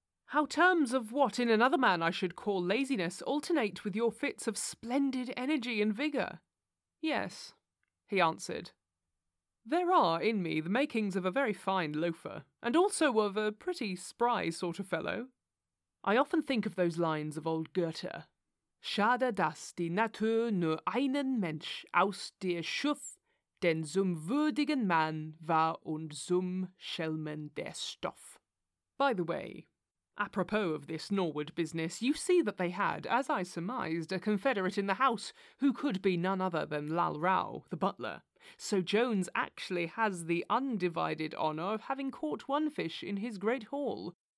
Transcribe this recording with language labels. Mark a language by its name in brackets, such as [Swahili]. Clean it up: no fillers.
[English] How terms of what in another man I should call laziness alternate with your fits of splendid energy and vigour. Yes, he answered. There are in me the makings of a very fine loafer, and also of a pretty spry sort of fellow. I often think of those lines of old Goethe. [German] Schade, dass die Natur nur einen Mensch aus dir schuf, denn zum würdigen Mann war und zum Schelmen der Stoff. [English] By the way, apropos of this Norwood business, you see that they had, as I surmised, a confederate in the house who could be none other than Lal Rao, the butler. So Jones actually has the undivided honour of having caught one fish in his great haul.